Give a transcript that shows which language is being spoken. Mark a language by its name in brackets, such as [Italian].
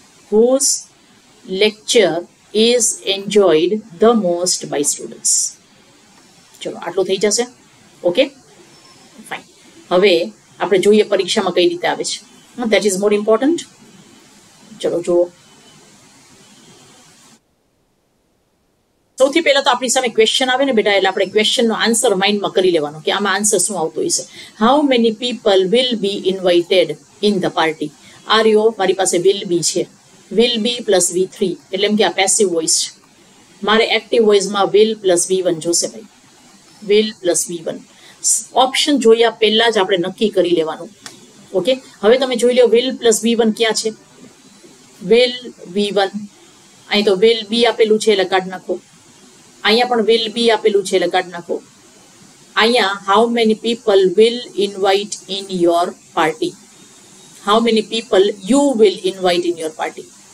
[English] Whose lecture is enjoyed the most by students? [Gujarati] ચલો આટલું થઈ જશે. ઓકે ફાઈન, હવે આપણે જોઈએ પરીક્ષામાં કઈ રીતે આવે છે, [English] That is more important. [Gujarati] ચલો જુઓ, સૌથી પહેલા તો આપણી સામે ક્વેશ્ચન આવે ને બેટા, એટલે આપણે ક્વેશ્ચનનો આન્સર માઇન્ડમાં કરી લેવાનો કે આમાં આન્સર શું આવતો હશે. [English] How many people will be invited in the party? Are you, [Gujarati] મારી પાસે વિલ બી છે, [English] will be plus V3, [Gujarati] એટલે કે આ પેસિવ વોઇસ છે. મારે એક્ટિવ વોઇસમાં will plus V1 જોશે ભાઈ, will plus V1. ઓપ્શન જોયા પહેલા જ આપણે નક્કી કરી લેવાનું. ઓકે, હવે તમે જોઈ લો will plus V1 ક્યાં છે. will V1 અહીં તો will be આપેલું છે એટલે કાઢ નાખો. અહીંયા પણ will be આપેલું છે એટલે કાઢ નાખો. અહીંયા [English] How many people will invite in your party, how many people you will invite in your party.